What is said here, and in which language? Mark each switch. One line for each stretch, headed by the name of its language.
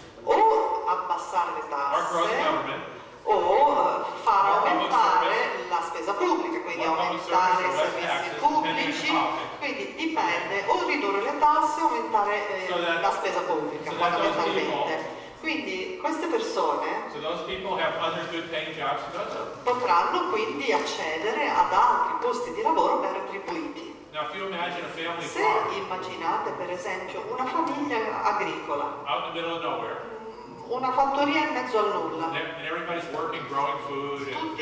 Italian: o abbassare le tasse,
English: or grow the government,
Italian: o far aumentare la spesa pubblica, quindi aumentare i servizi pubblici, quindi dipende, o ridurre le tasse o aumentare la spesa pubblica, fondamentalmente. Quindi queste persone
English: so those people have other good paying jobs to go to.
Italian: Potranno quindi accedere ad altri posti di lavoro ben retribuiti.
English: Now if you imagine a family
Italian: se immaginate per esempio una famiglia agricola,
English: out in the middle of nowhere,
Italian: una fattoria in mezzo al nulla,
English: and everybody's working, growing food,
Italian: tutti